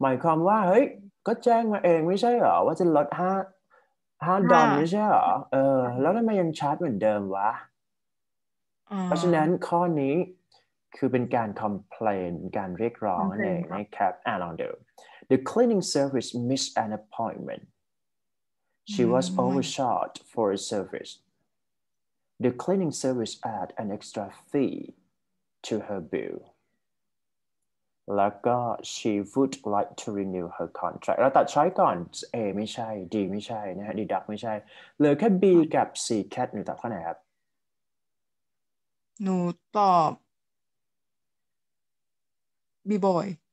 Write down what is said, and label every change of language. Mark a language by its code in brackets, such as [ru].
[th] หมายความว่าเฮ้ยก็แจ้งมาเองไม่ใช่เหรอว่าจะลด5ดอลไม่ใช่เหรอแล้วทำไมยังชาร์จเหมือนเดิมวะ เพราะฉะนั้นข้อนี้คือเป็นการ complain การเรียกร้องนั่นเองนะครับลองดู [en] The cleaning service missed an appointmentShe was overcharged for a service. The cleaning service add an extra fee to her bill. [th] แล้วก็ [en] she would like to renew her contract. [th] เราตัดใช้ก่อน A ไม่ใช่ D ไม่ใช่นะฮะ deduct ไม่ใช่เหลือแค่ B กับ C cat หนูตอบข้อไหนครับ หนูตอบ B boy